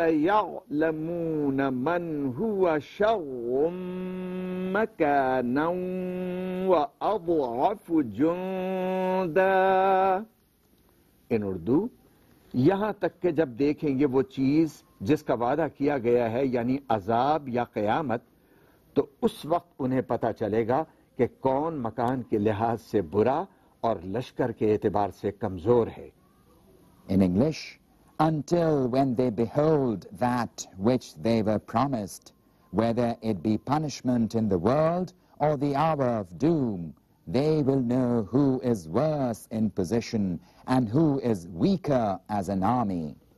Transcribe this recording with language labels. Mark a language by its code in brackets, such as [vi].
[ar] فسيعلمون من هو شر مكانا وأضعف جندا. [en] In Urdu, [ur] یہاں تک کہ جب دیکھیں گے وہ چیز جس کا وعدہ کیا گیا ہے یعنی عذاب یا قیامت, تو اس وقت انہیں پتا چلے گا کہ کون مکان کے لحاظ سے برا اور لشکر کے اعتبار سے کمزور ہے. [en] In English, until when they behold that which they were promised, whether it be punishment in the world or the hour of doom, they will know who is worse in position and who is weaker as an army.